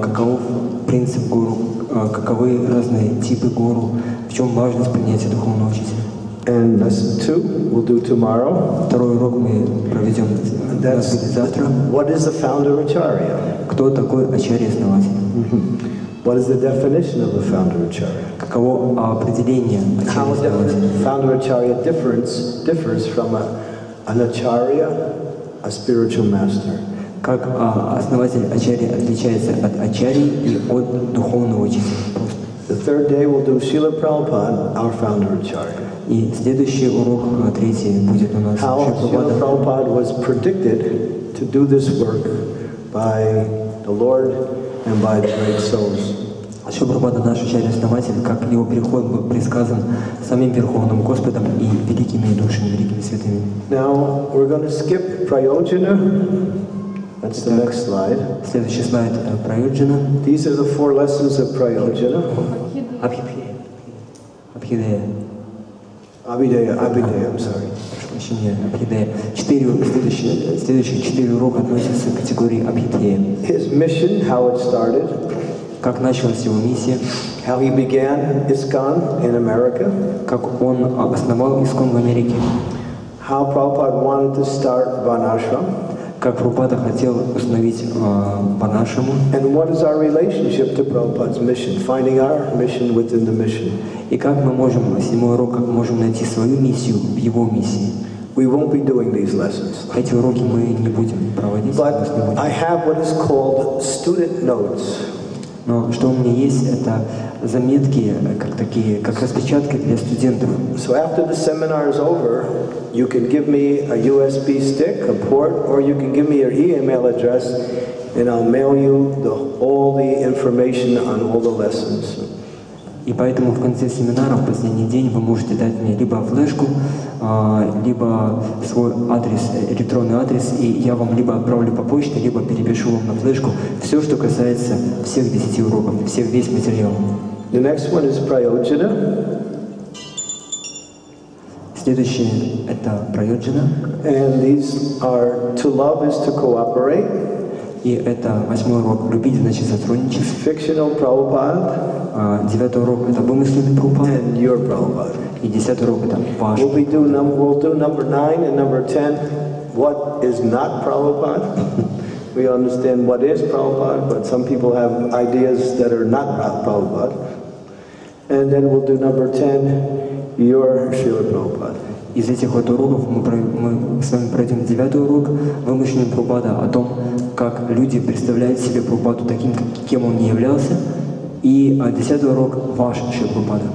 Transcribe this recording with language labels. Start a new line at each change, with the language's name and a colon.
Russian: Каков принцип Guru? Каковы разные типы Guru? В чем важность принятия духовного учителя?
English: And lesson 2 we'll do tomorrow.
Russian: Второй урок мы проведем завтра.
English: What is the founder Acharya?
Russian: Кто такой Ачарья-основатель?
English: What is the definition of a founder Acharya?
Russian: Каково определение
English: Ачарья-основателя? Founder Acharya differs from an Acharya, a spiritual master.
Russian: Как основатель Ачарья отличается от Ачарьи и от духовного учителя?
English: The third day we'll do Srila Prabhupada, our founder Acharya.
Russian: И следующий урок, третий, будет у нас Шрила Прабхупада.
English: How Srila Prabhupada was predicted to do this work by the Lord and by the great souls.
Russian: Шрила Прабхупада, наш Ачарья-основатель, как его приход был предсказан самим Верховным Господом и великими душами, великими святыми.
English: Now we're going to skip Prayojana. That's the next slide.
Russian: Следующий слайд это Prayojana.
English: These are the four lessons of Prayojana. Abhideya. Abhideya, Abhideya, I'm sorry.
Russian: Следующие четыре урока относятся к категории Абхидхея.
English: His mission, how it started.
Russian: Как началась его миссия.
English: How he began ISKCON in America.
Russian: Как он основал ISKCON в Америке.
English: How Prabhupada wanted to start Vanashram.
Russian: Как Прабхупада хотел установить Ванашраму.
English: And what is our relationship to Prabhupada's mission? Finding our mission within the mission.
Russian: И как мы можем, седьмой урок, как можем найти свою миссию в его миссии.
English: We won't be doing these lessons.
Russian: Эти уроки мы не будем проводить.
English: But I have what is called student notes.
Russian: Но что у меня есть, это заметки, как такие, как распечатки для студентов.
English: So after the seminar is over, you can give me a USB stick, a port, or you can give me your email address, and I'll mail you all the information on all the lessons.
Russian: И поэтому в конце семинара, в последний день, вы можете дать мне либо флешку, либо свой адрес, электронный адрес, и я вам либо отправлю по почте, либо перепишу вам на флешку все, что касается всех 10 уроков, всех весь материал.
English: The next one is Prayojana.
Russian: Следующее – это Prayojana.
English: And these are to love is to cooperate.
Russian: И это восьмой урок. Любить значит сотрудничать.
English: Fictional Prabhupada.
Russian: Девятый урок это вымысленный Прабхупада.
English: And your Prabhupada.
Russian: И десятый урок это ваш.
English: We'll do number 9 and number 10. What is not Prabhupada? We understand what is Prabhupada, but some people have ideas that are not Prabhupada. And then we'll do number 10. Your Srila Prabhupada.
Russian: Из этих вот уроков мы с вами пройдем девятый урок вымышленный Прабхупада о том, как люди представляют себе Прабхупаду таким, кем он не являлся. И десятый урок ваш Шрила Прабхупада.